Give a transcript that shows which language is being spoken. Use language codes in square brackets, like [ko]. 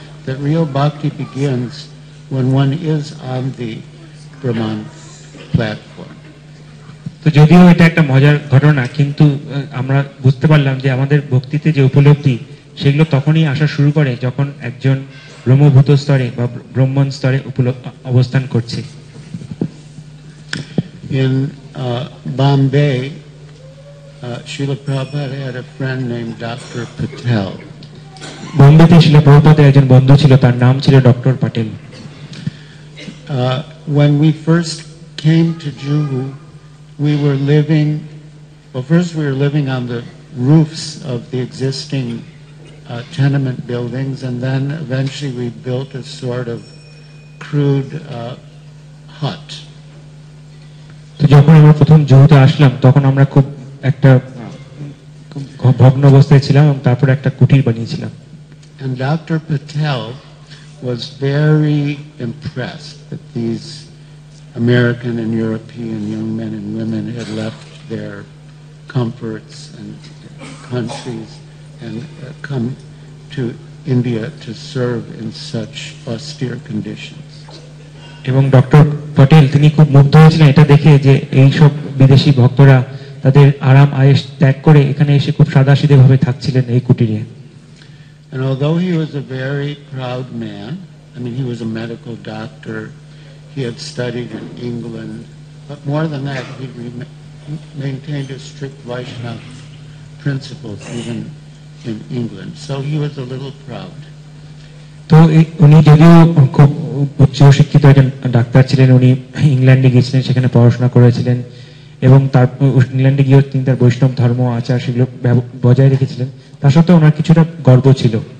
[en] That real bhakti begins when one is on the brahman platform. [bn] তো যদিও এটা একটা মজার ঘটনা কিন্তু আমরা বুঝতে পারলাম যে আমাদের ভক্তিতে যে উপলব্ধি সেগুলো তখনই আসা শুরু করে যখন একজন ব্রহ্মভূত স্তরে বা ব্রহ্মণ স্তরে অবস্থান করছে. [en] In Bombay, Srila Prabhupada had a friend named Dr. Patel. [bn] Bombay-তে Srila Prabhupada-এর একজন বন্ধু ছিল তার নাম ছিল Dr. Patel. [en] When we first came to Juhu, we were living on the roofs of the existing tenement buildings and then eventually we built a sort of crude hut. [bn] তো যখন আমরা প্রথম জুহুতে আসলাম তখন আমরা খুব একটা ভগ্ন অবস্থায় ছিলাম এবং তারপর একটা কুটির বানিয়েছিলাম. [en] And Dr. Patel was very impressed that these American and European young men and women had left their comforts and countries and come to India to serve in such austere conditions. [bn] এবং doctor Patel তিনি খুব মুগ্ধ হয়েছিলেন এটা দেখে যে এই সব বিদেশি ভক্তরা তাদের আরাম আয়েশ ত্যাগ করে এখানে এসে খুব সাদাসিধে ভাবে থাকছিলেন এই কুটিরে. [en] And although he was a very proud man, I mean he was a medical doctor, he had studied in England, but more than that he maintained a strict Vaishnava principles even in England, so he was a little proud. [bn] তো উনি যদিও খুব উচ্চ শিক্ষিত একজন doctor ছিলেন, উনি ইংল্যান্ডে গিয়েছিলেন, সেখানে পড়াশোনা করেছিলেন এবং তারপর ইংল্যান্ডে গিয়েও তিনি তার বৈষ্ণব ধর্ম আচার সেগুলো বজায় রেখেছিলেন, তার সত্ত্বেও ওনার কিছুটা গর্ব ছিল।